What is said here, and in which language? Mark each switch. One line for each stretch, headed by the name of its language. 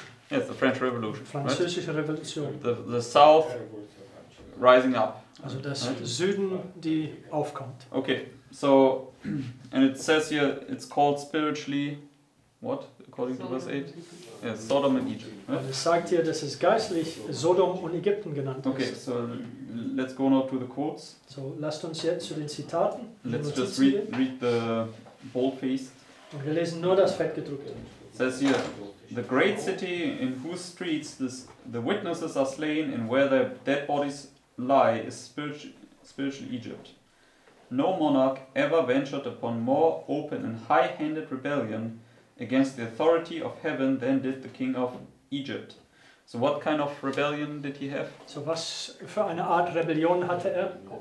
English: Yes, the French Revolution.
German: Französische
English: right?
German: Revolution.
English: The South rising up.
German: Also das right? Süden, die aufkommt.
English: Okay. So, and it says here, it's called spiritually, what, according to verse 8? Yes, Sodom and Egypt. Right?
German: Also es sagt hier, dass es geistlich Sodom und Ägypten genannt ist.
English: Okay, so let's go now to the quotes.
German: So, lasst uns jetzt zu den Zitaten.
English: Let's just read the bold-faced.
German: Und wir lesen nur das Fettgedruckte.
English: It says here, the great city in whose streets the witnesses are slain and where their dead bodies lie is spiritual Egypt. No monarch ever ventured upon more open and high-handed rebellion against the authority of heaven than did the king of Egypt. So what kind of rebellion did he have?
German: So was für eine Art Rebellion hatte er?